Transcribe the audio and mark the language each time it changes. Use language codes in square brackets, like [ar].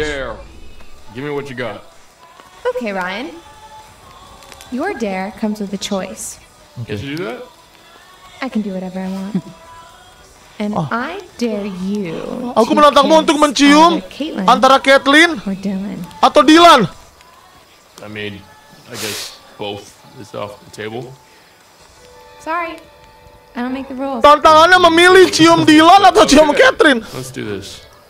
[en] Dare. Give me what you got. Okay, Ryan. Your dare comes with a choice. Okay. Can you do that? I can do whatever I want. And oh. I dare you. [id] Aku menantangmu untuk mencium Caitlin antara Caitlin [en] or Dylan. [id] Atau Dylan. [en] I mean, I guess both is off the table. Sorry. I don't make the rules. [id] Tantangannya memilih cium Dylan atau cium Caitlin. [en] Let's do this.